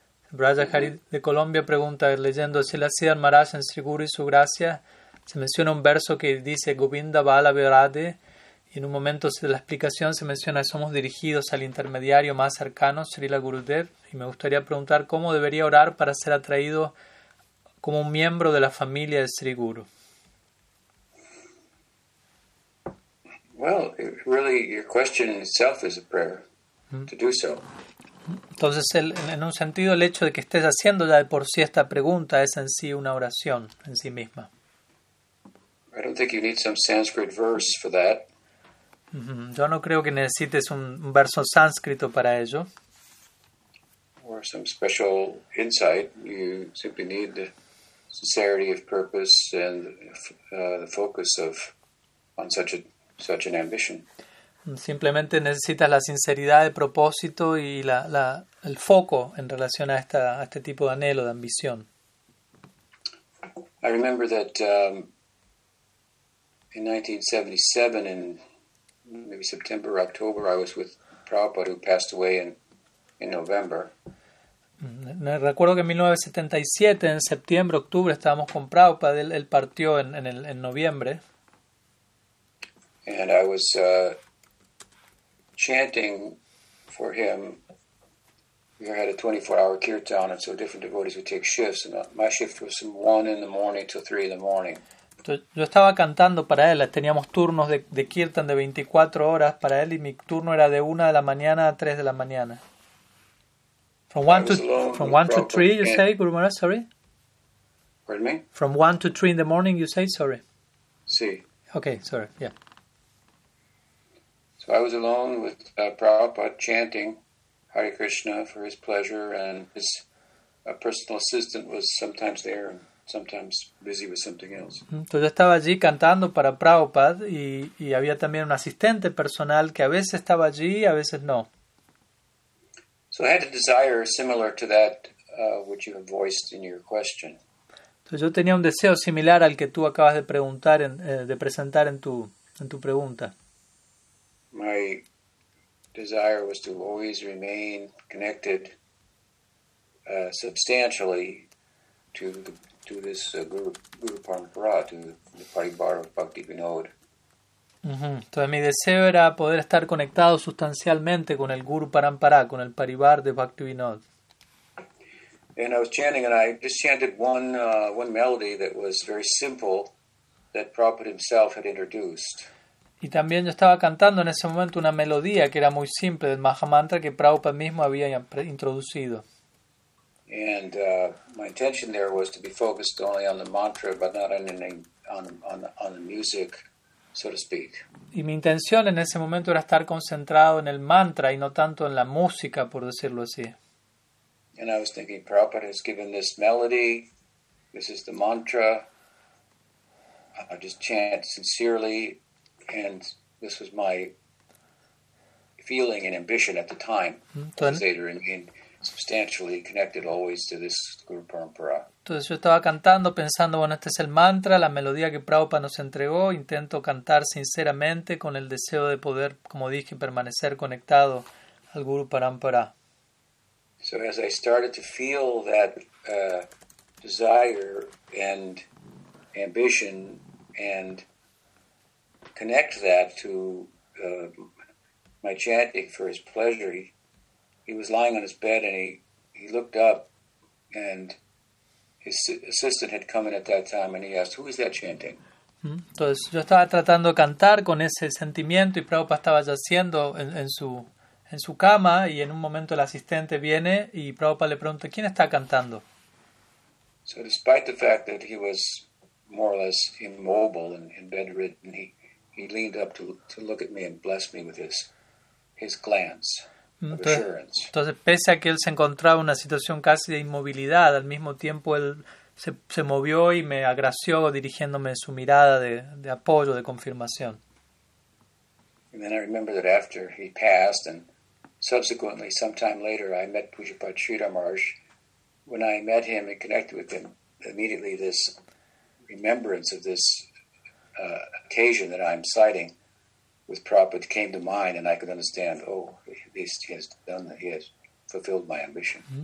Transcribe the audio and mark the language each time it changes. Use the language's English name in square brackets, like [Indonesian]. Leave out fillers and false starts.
[Spanish] Brajahari de Colombia pregunta, leyendo así la Sridhar Maharaj en Sri Guru y su gracia, se menciona un verso que dice Govinda Balabe Radhe, y en un momento de la explicación se menciona somos dirigidos al intermediario más cercano, Srila Gurudev, y me gustaría preguntar cómo debería orar para ser atraído como un miembro de la familia de Sri Guru. [English] Well, really, your question itself is a prayer to do so. [Spanish] Entonces, en un sentido, el hecho de que estés haciendo ya de por sí esta pregunta es en sí una oración en sí misma. [English] I don't think you need some Sanskrit verse for that. [Spanish] Yo no creo que necesites un verso sánscrito para ello. [English] Or some special insight. You simply need the sincerity of purpose and the focus of on such an ambition. [Spanish] Simplemente necesitas la sinceridad de propósito y el foco en relación a este tipo de anhelo, de ambición. [English] I remember that in 1977, in maybe September or October, I was with Prabhupada, who passed away in November. [Spanish] Recuerdo que en 1977, en septiembre, octubre, estábamos con Prabhupada, él partió en noviembre. [English] And I was chanting for him. We had a 24-hour kirtan, and so different devotees would take shifts. And my shift was from 1 in the morning till 3 in the morning. [Spanish] Yo estaba cantando para él. Teníamos turnos de kirtan de 24 horas para él, y mi turno era de 1 de la mañana a 3 de la mañana. [English] From 1 to 3, you say, Guru Maharaj, sorry? Pardon me? From 1 to 3 in the morning, you say, sorry? [Spanish] Sí. [English] Okay, sorry, yeah. So I was alone with Prabhupada chanting Hare Krishna for his pleasure, and his personal assistant was sometimes there and sometimes busy with something else. [Spanish] Entonces yo estaba allí cantando para Prabhupada y había también un asistente personal que a veces estaba allí y a veces no. [English] So I had a desire similar to that which you have voiced in your question. [Spanish] Entonces yo tenía un deseo similar al que tú acabas de preguntar presentar en tu pregunta. [English] My desire was to always remain connected substantially to this Guru Parampara, to the Paribara of Bhakti Vinod. [Spanish] Entonces mi deseo era poder estar conectado sustancialmente con el Guru Parampara, con el Paribara de Bhakti Vinod. [English] And I was chanting, and I just chanted one melody that was very simple that Prabhupada himself had introduced. [Spanish] Y también yo estaba cantando en ese momento una melodía que era muy simple del Mahamantra que Prabhupada mismo había introducido. [English] And my intention there was to be focused only on the mantra but not on the music, so to speak. [Spanish] Y mi intención en ese momento era estar concentrado en el mantra y no tanto en la música, por decirlo así. [English] And I was thinking, Prabhupada has given this melody, this is the mantra, I just chant sincerely. And this was my feeling and ambition at the time, to say to remain substantially connected always to this Guru Parampara. [Spanish] Entonces yo estaba cantando, pensando, bueno, este es el mantra, la melodía que Prabhupada nos entregó. Intento cantar sinceramente con el deseo de poder, como dije, permanecer conectado al Guru Parampara. [English] So as I started to feel that desire and ambition and connect that to my chanting for his pleasure, he was lying on his bed and he looked up, and his assistant had come in at that time, and he asked, "Who is that chanting?" [Spanish] Entonces yo estaba tratando de cantar con ese sentimiento y Prabhupada estaba yaciendo en su cama, y en un momento el asistente viene y Prabhupada le pregunta, ¿quién está cantando? [English] So despite the fact that he was more or less immobile and bedridden, he leaned up to look at me and bless me with his glance of assurance. [Spanish] Entonces, pese a que él se encontraba en una situación casi de inmovilidad, al mismo tiempo él se movió y me agració dirigiéndome su mirada de apoyo, de confirmación. [English] And then I remember that after he passed, and subsequently, sometime later, I met Pujapati Sridhar Maharaj. When I met him and connected with him, immediately this remembrance of this occasion that I'm citing with Prabhupada came to mind, and I could understand, he has fulfilled my ambition.